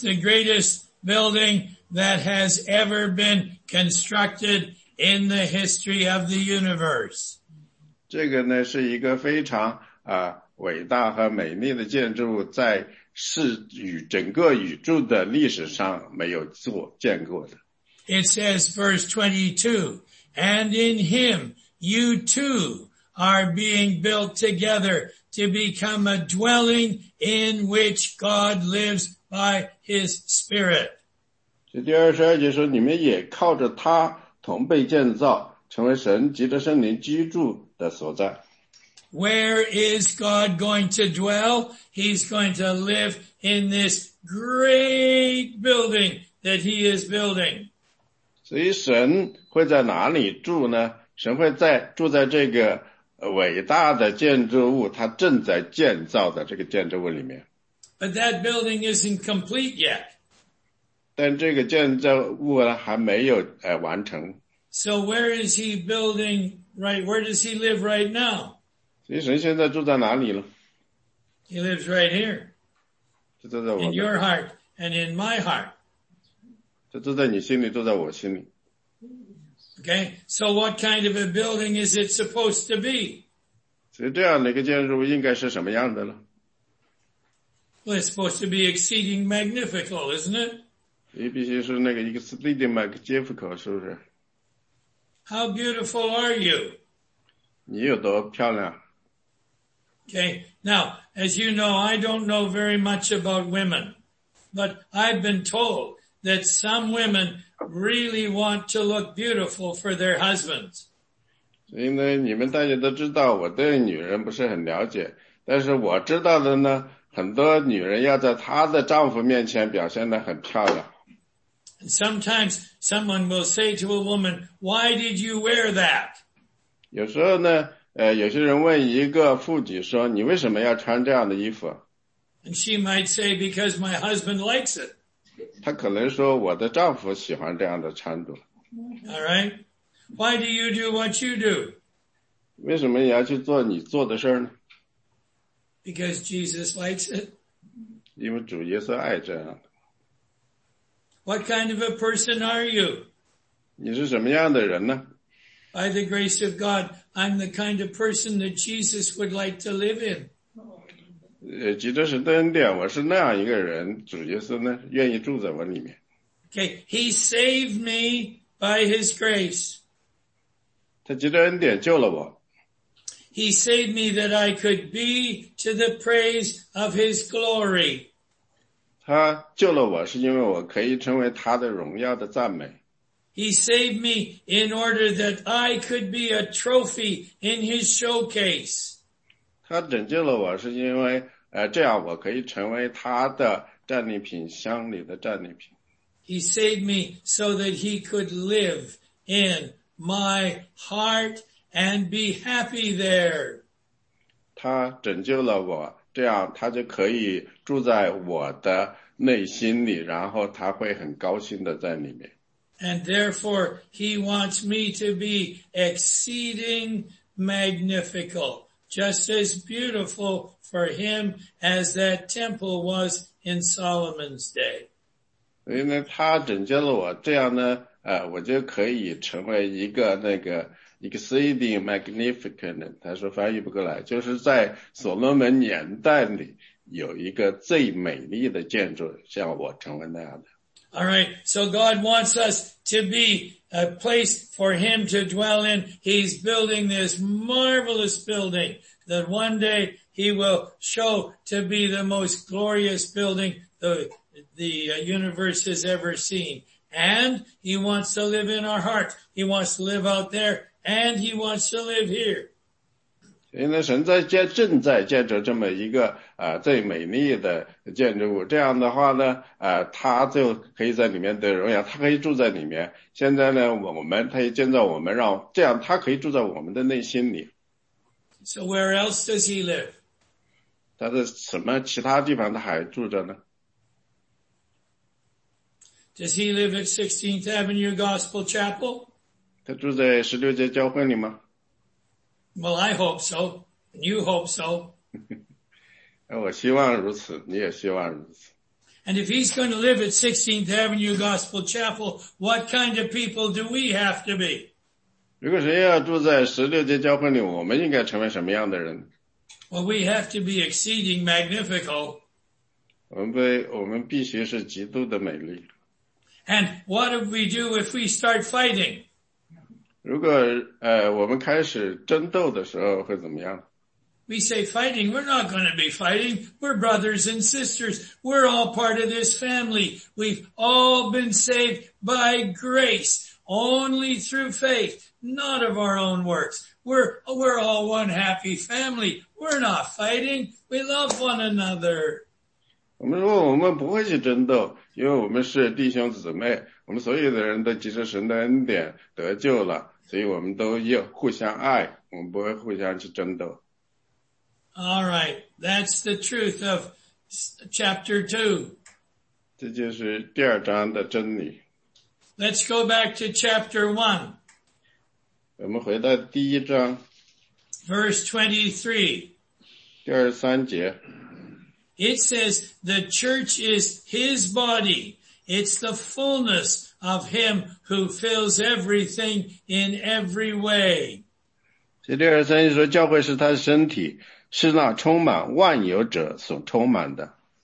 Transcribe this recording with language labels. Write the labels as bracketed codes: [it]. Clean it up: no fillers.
[en] the greatest building that has ever been constructed in the history of the universe. [zh] 这个呢是一个非常伟大和美丽的建筑，在整个宇宙的历史上没有建过的。 [en] It says verse 22, and in him you two are being built together to become a dwelling in which God lives by his Spirit. [zh] 这第22节说，你们也靠着他同被建造。成为神基督圣灵居住的所在。 [en] Where is God going to dwell? He's going to live in this great building that he is building. [zh] 所以神会在哪里住呢？神会在住在这个伟大的建筑物，他正在建造的这个建筑物里面。 [en] But that building isn't complete yet. [zh] 但这个建造物呢还没有完成。 [en] So where is he building, right? Where does he live right now? [zh] 所以神现在住在哪里了？ [en] He lives right here. [zh] 就住在我的。 [en] In your heart and in my heart. [zh] 就住在你心里，住在我心里。 [en] Okay, so what kind of a building is it supposed to be? [zh] 所以这样的一个建筑应该是什么样的呢？ [en] Well, it's supposed to be exceeding magnificent, isn't it? [zh] 所以必须是那个 [en] exceeding magnificent, [zh] 是不是？ [en] How beautiful are you? [zh] 你有多漂亮？ [en] Okay, now, as you know, I don't know very much about women, but I've been told that some women really want to look beautiful for their husbands. [zh] 所以呢，你们大家都知道，我对女人不是很了解，但是我知道的呢，很多女人要在她的丈夫面前表现得很漂亮。 [en] And sometimes someone will say to a woman, why did you wear that? [zh] 有时候呢，有些人问一个妇女说，你为什么要穿这样的衣服？ [en] And she might say, because my husband likes it. [zh] 她可能说，我的丈夫喜欢这样的穿着。 [en] All right. Why do you do what you do? [zh] 为什么你要去做你做的事呢？ [en] Because Jesus likes it. [zh] 因为主耶稣爱这样。 [en] What kind of a person are you? [zh] 你是什么样的人呢？ [en] By the grace of God, I'm the kind of person that Jesus would like to live in. [zh] 基督是恩典，我是那样一个人，主耶稣呢，愿意住在我里面。 [en] Okay, he saved me by his grace. [zh] 他基督恩典救了我。 [en] He saved me that I could be to the praise of his glory. [zh] 他救了我是因为我可以成为他的荣耀的赞美。 [en] He saved me in order that I could be a trophy in his showcase. [zh] 他拯救了我是因为这样我可以成为他的战利品箱里的战利品。 [en] He saved me so that he could live in my heart and be happy there. [zh] 他拯救了我，这样他就可以住在我的内心里，然后他会很高兴的在里面。 [en] And therefore, he wants me to be exceeding magnificent, just as beautiful for him as that temple was in Solomon's day. [zh] 因为他拯救了我，这样呢，我就可以成为一个那个 [en] exceeding magnificent。 [zh] 他说翻译不过来，就是在所罗门年代里有一个最美丽的建筑，像我成为那样的。 [en] All right, so God wants us to be a place for him to dwell in. He's building this marvelous building that one day he will show to be the most glorious building the universe has ever seen. And he wants to live in our hearts. He wants to live out there, and he wants to live here. [zh] 因为神在建正在建着这么一个最美丽的建筑物，这样的话呢，他就可以在里面得荣耀，他可以住在里面。现在呢，我们他也建造我们，让这样他可以住在我们的内心里。 [en] So where else does he live? [zh] 他在什么其他地方他还住着呢？ [en] Does he live at 16th Avenue Gospel Chapel? [zh] 他住在十六街教会里吗？ [en] Well, I hope so, and you hope so. [zh] 我希望如此，你也希望如此。 [en] And if he's going to live at 16th Avenue Gospel Chapel, what kind of people do we have to be? [zh] 如果谁要住在十六街教会里，我们应该成为什么样的人？ [en] Well, we have to be exceeding magnificent. [zh] 我们必须是极度的美丽。 [en] And what do we do if we start fighting? [zh] 如果我们开始争斗的时候会怎么样？ [en] We say fighting, we're not going to be fighting. We're brothers and sisters. We're all part of this family. We've all been saved by grace. only through faith, not of our own works. We're all one happy family. We're not fighting. We love one another. [zh] 我们说我们不会去争斗，因为我们是弟兄姊妹，我们所有的人都藉着神的恩典得救了，所以我们都互相爱，我们不会互相去争斗。 [en] All right, that's the truth of chapter 2. [zh] 这就是第二章的真理。 [en] Let's go back to chapter 1. [zh] 我们回到第一章。 [en] Verse 23. [zh] 第23节。 [en] It says, the church is his body. It's the fullness of him who fills everything in every way. [zh] 第23节说, 教会是他的身体。是那充满万有者所充满的。